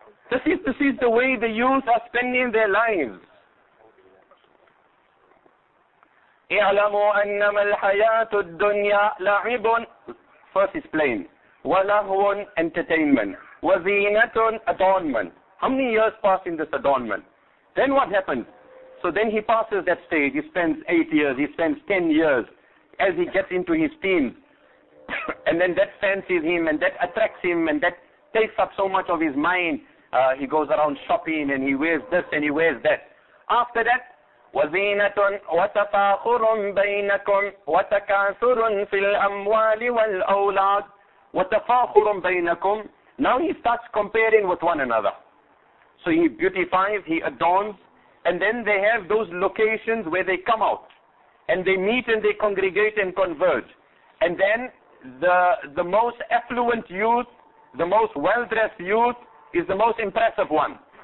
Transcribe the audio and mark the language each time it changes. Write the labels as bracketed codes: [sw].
[en] This is the way the youth are spending their lives. [ar] اعلموا انما الحياه الدنيا لعب [en] first is plain [ar] ولهو entertainment وزينه adornment. [en] How many years pass in this adornment? Then what happens? So then he passes that stage. He spends 8 years, he spends 10 years, as he gets into his teens, and then that fancies him and that attracts him and that takes up so much of his mind. He goes around shopping and he wears this and he wears that. After that, [ar] وزينة وتفاخر بينكم وتكاثر في الأموال والأولاد وتفاخر بينكم. [en] Now he starts comparing with one another. So he beautifies, he adorns, and then they have those locations where they come out and they meet and they congregate and converge. And then the most affluent youth, the most well-dressed youth is the most impressive one.